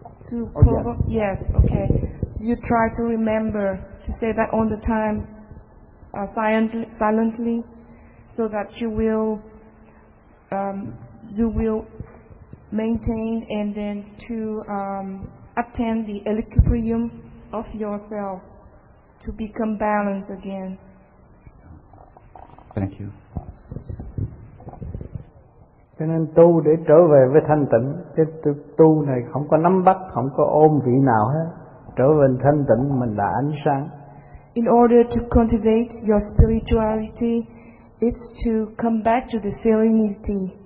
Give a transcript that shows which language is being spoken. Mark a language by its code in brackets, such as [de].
[en] to yes, okay. So you try to remember to say that all the time, silently, so that you will maintain and then to attain the equilibrium of yourself to become balanced again. Thank you. [vi] Cho nên tu để trở về với thanh tịnh, cái tu này không có nắm bắt, không có ôm vị nào hết. Trở về thanh tịnh mình là ánh sáng. [en] In order to cultivate your spirituality, it's to come back to the serenity.